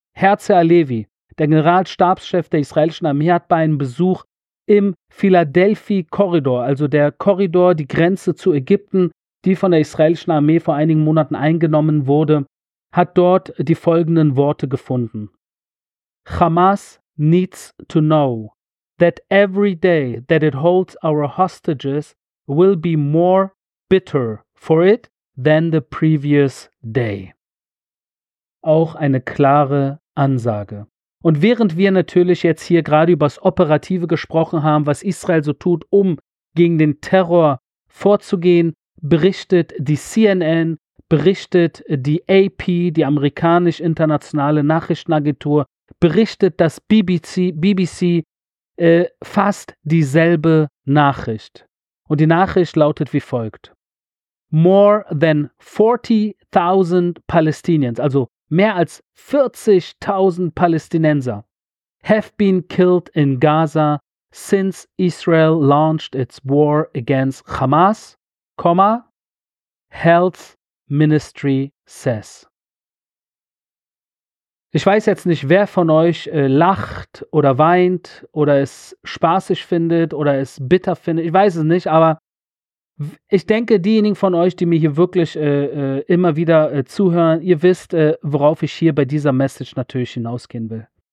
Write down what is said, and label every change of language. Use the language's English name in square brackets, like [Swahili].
[German] Herzi Halevi, der Generalstabschef der israelischen Armee, hat bei einem Besuch im Philadelphia-Korridor, also der Korridor, die Grenze zu Ägypten, die von der israelischen Armee vor einigen Monaten eingenommen wurde, hat dort die folgenden Worte gefunden. [English] Hamas needs to know that every day that it holds our hostages will be more bitter for it than the previous day. [German] Auch eine klare Ansage. Und während wir natürlich jetzt hier gerade über das Operative gesprochen haben, was Israel so tut, um gegen den Terror vorzugehen, berichtet die CNN, berichtet die AP, die amerikanisch-internationale Nachrichtenagentur, berichtet das BBC, fast dieselbe Nachricht. Und die Nachricht lautet wie folgt. [English] More than 40,000 Palestinians, [German] also mehr als 40,000 Palästinenser, [English] have been killed in Gaza since Israel launched its war against Hamas, Health Ministry says. [German] Ich weiß jetzt nicht, wer von euch lacht oder weint oder es spaßig findet oder es bitter findet. Ich weiß es nicht, aber ich denke, diejenigen von euch, die mir hier wirklich immer wieder zuhören, ihr wisst, worauf ich hier bei dieser Message natürlich hinausgehen will.